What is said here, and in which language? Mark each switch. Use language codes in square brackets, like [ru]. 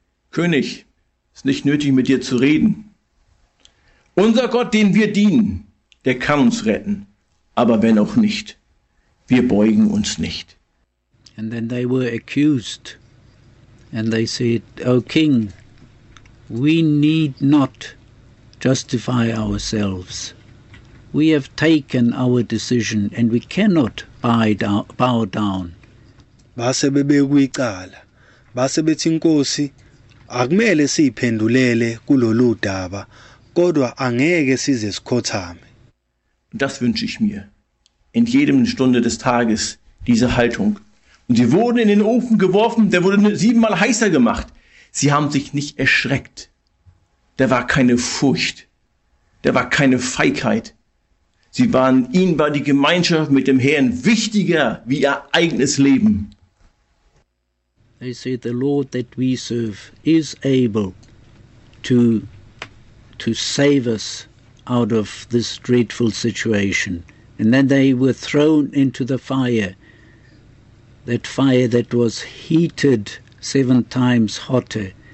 [de] König, es ist nicht nötig, mit dir zu reden. Unser Gott, den wir dienen, der kann uns retten. Aber wenn auch nicht, wir beugen uns nicht. [en] And then they were accused. And they said, O King, we need not justify ourselves. We have taken our decision and we cannot bow down. [zu] Base bebekwe icala. Base bethi inkosi akumele siyiphendulele kulolu daba. Kodwa angeke size sikhothame. [de] Das wünsche ich mir. In jedem Stunde des Tages diese Haltung. Und sie wurden in den Ofen geworfen, der wurde 7-mal heißer gemacht. Sie haben sich nicht erschreckt. Da war keine Furcht. Da war keine Feigheit. Sie waren, ihnen war die Gemeinschaft mit dem Herrn wichtiger wie ihr eigenes Leben. [en] They say the Lord that we serve is able to save us out of this dreadful situation. And then they were thrown into the fire. That fire that was heated 7 times hotter.